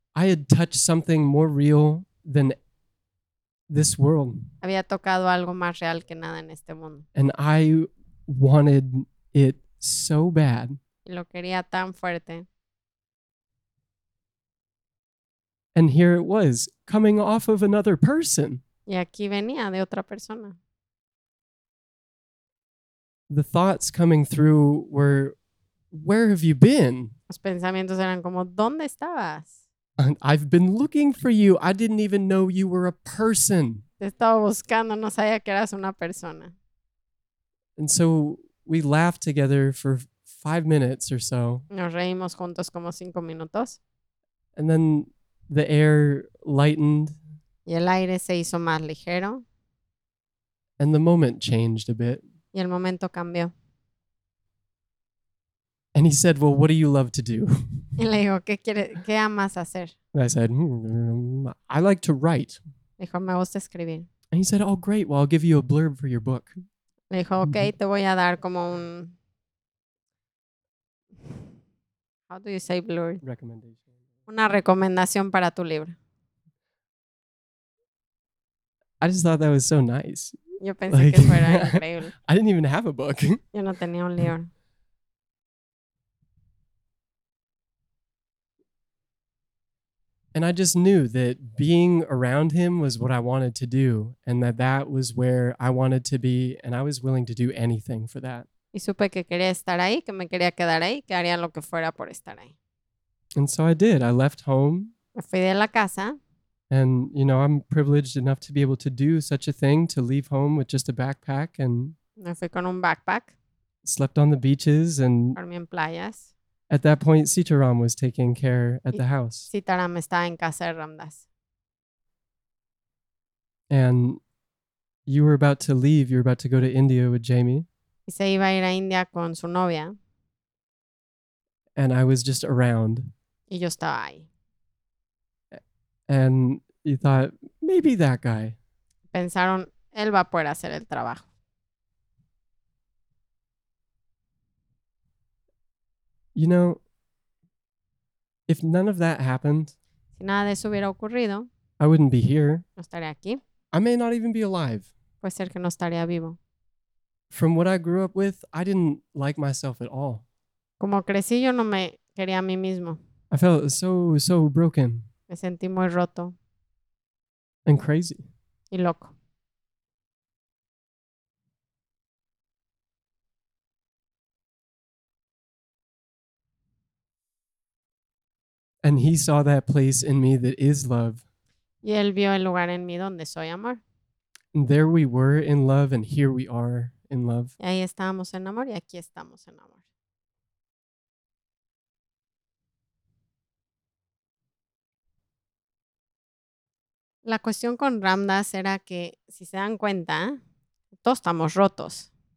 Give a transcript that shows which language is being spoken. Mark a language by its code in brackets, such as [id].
[en] I had touched something more real than this world. [es] Había tocado algo más real que nada en este mundo. [en] And I wanted it so bad. [es] Y lo quería tan fuerte. [en] And here it was, coming off of another person. [es] Y aquí venía de otra persona. [en] The thoughts coming through were, "Where have you been?" [es] Los pensamientos eran como, "¿Dónde estabas?" [en] And I've been looking for you. I didn't even know you were a person. [es] Te estaba buscando, no sabía que eras una persona. [en] And so we laughed together for 5 minutes or so. [es] Nos reímos juntos como 5 minutos. [en] And then the air lightened. [es] Y el aire se hizo más ligero. [en] And the moment changed a bit. [es] Y el momento cambió. [en] And he said, "Well, what do you love to do?" [es] Y le dijo, ¿qué amas hacer? [en] And I said, "I like to write." [es] Dijo, me gusta escribir. [en] And he said, "Oh, great. Well, I'll give you a blurb for your book." [es] Le dijo, okay, te voy a dar como un... [en] How do you say blurb? Recommendation. [es] Una recomendación para tu libro. [en] I just thought that was so nice. [es] Yo pensé like, que fuera increíble. [en] I didn't even have a book. [es] Yo no tenía un libro. [en] And I just knew that being around him was what I wanted to do, and that that was where I wanted to be, and I was willing to do anything for that. [es] Y supe que quería estar ahí, que me quería quedar ahí, que haría lo que fuera por estar ahí. [en] And so I did. I left home. [es] Me fui de la casa. [en] And, you know, I'm privileged enough to be able to do such a thing, to leave home with just a backpack and... [es] Me fui con un backpack. [en] Slept on the beaches and... [es] Dormí en playas. [en] At that point, Sitaram was taking care at the house. [es] Sitaram estaba en casa de Ramdas. [en] And you were about to leave. You were about to go to India with Jamie. [es] Y se iba a ir a India con su novia. [en] And I was just around. [es] Y yo estaba ahí. [en] And you thought, maybe that guy. [es] Pensaron, él va a poder hacer el trabajo. [en] You know, if none of that happened, [es] si nada de eso hubiera ocurrido, [en] I wouldn't be here. [es] No estaría aquí. [en] I may not even be alive. [es] Puede ser que no estaría vivo. [en] From what I grew up with, I didn't like myself at all. [es] Como crecí, yo no me quería a mí mismo. [en] I felt so, so broken. [es] Me sentí muy roto. [en] And crazy. [es] Y loco. [en] And he saw that place in me that is love. [es] Y él vio el lugar en mí donde soy amor. [en] And there we were in love, and here we are in love. [es] Y ahí estábamos en amor, y aquí estamos en amor. La cuestión con Ramdas era que, si se dan cuenta, todos estamos rotos.